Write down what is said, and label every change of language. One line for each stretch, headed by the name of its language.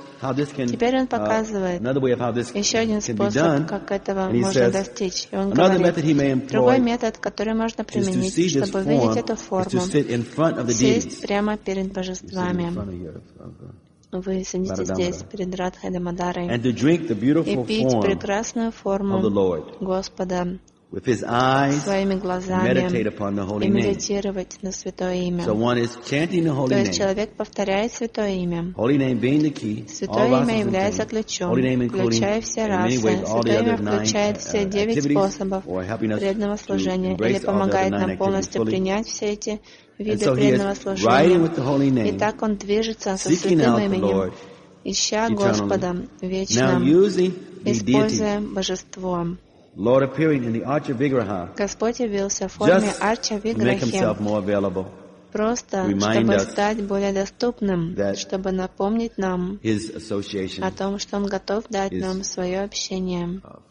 Russian: Теперь он показывает еще один способ, как этого можно достичь. И он говорит, другой метод, который можно применить, чтобы видеть эту форму, сесть прямо перед божествами. Вы сидите здесь, перед Радхой Дамодарой, и пить прекрасную форму Господа
English: with his eyes, meditate upon the holy name.
Russian: Медитировать на Святое Имя.
English: So one is chanting the holy name.
Russian: То есть человек повторяет Святое Имя.
English: Holy name being the key.
Russian: Святое Имя является ключом.
English: Holy name including in many ways all the other nine activities, or helping us to embrace all the other nine activities fully. And so he is riding with the holy name, seeking out the Lord,
Russian: ища Господа вечно, используя Божество.
English: Lord appearing in the Archa Vigraha,
Russian: Господь явился в форме Арча Виграхи, просто чтобы стать более доступным, чтобы напомнить нам о том, что Он готов дать нам свое общение.